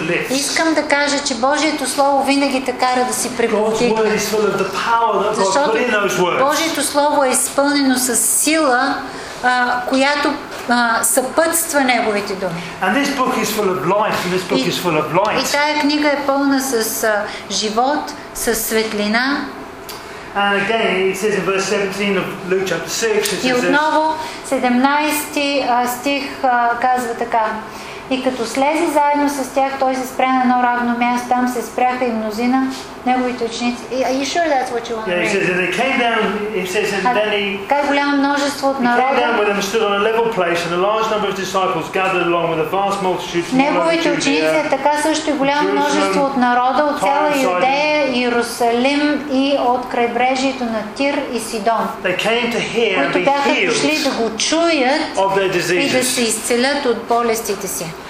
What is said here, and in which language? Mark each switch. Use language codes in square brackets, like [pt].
[bg] Искам да кажа, че Божието слово винаги те кара да си приповдигне. Защото Божието слово е изпълнено с сила, която съпътства неговите думи. [en] And this book is full of life, and this book is full of light. [bg] И тая книга е пълна с живот, с светлина. [en] And again, it says in verse 17 of Luke chapter 6. [bg] И отново 17 стих казва така. И като слезе заедно с тях, той се спря на едно равно място, там се спряха и мнозина неговите ученици. [en] Are you sure that's what you want to read? Yeah, he says, and they came down, he says, and then he... [bg] Как голямо множество от народа... [en] He came down with them and stood on a level place, and a large number of disciples gathered along with a vast multitude... [bg] Неговите ученици, така също и голямо множество от народа, от цяла Юдея, Иерусалим и от крайбрежието на Тир и Сидон. [en] They came to hear and be healed of their diseases. [bg] И да се изцелят от болестите си.